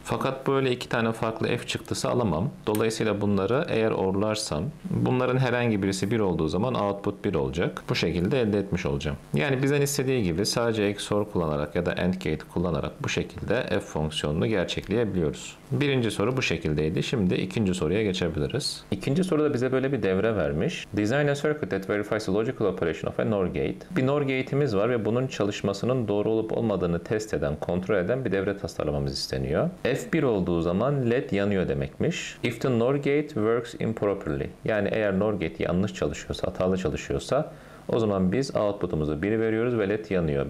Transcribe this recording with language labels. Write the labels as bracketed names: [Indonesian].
[Turkish] Fakat böyle iki tane farklı f çıktısı alamam. Dolayısıyla bunları eğer OR'larsam, bunların herhangi birisi 1 olduğu zaman output 1 olacak. Bu şekilde elde etmiş olacağım. Yani bizden istediği gibi sadece XOR kullanarak ya da AND gate kullanarak bu şekilde f fonksiyonunu gerçekleyebiliyoruz. Birinci soru bu şekildeydi. Şimdi ikinci soruya geçebiliriz. İkinci soruda bize böyle bir devre vermiş. [English] Design a circuit that verifies the logical operation of a NOR gate. [Turkish] Bir NOR gate'imiz var ve bunun çalışmasının doğru olup olmadığını test eden, kontrol eden bir devre tasarlamamız isteniyor. F1 olduğu zaman LED yanıyor demekmiş. [English] If the NOR gate works improperly, [Turkish] yani eğer NOR gate yanlış çalışıyorsa, hatalı çalışıyorsa, o zaman biz output'umuzu 1 veriyoruz ve LED yanıyor.